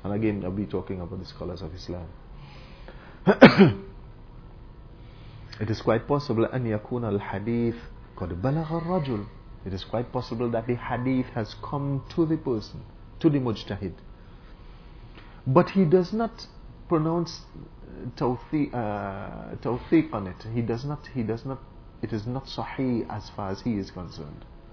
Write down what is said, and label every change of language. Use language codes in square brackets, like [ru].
[en] And again, I'll be talking about the scholars of Islam. It is quite possible [ar] أن يكون الحديث قد بلغ الرجل. [en] It is quite possible that the hadith has come to the person, to the mujtahid, but he does not pronounce tawthiq on it. He does not. It is not sahih as far as he is concerned.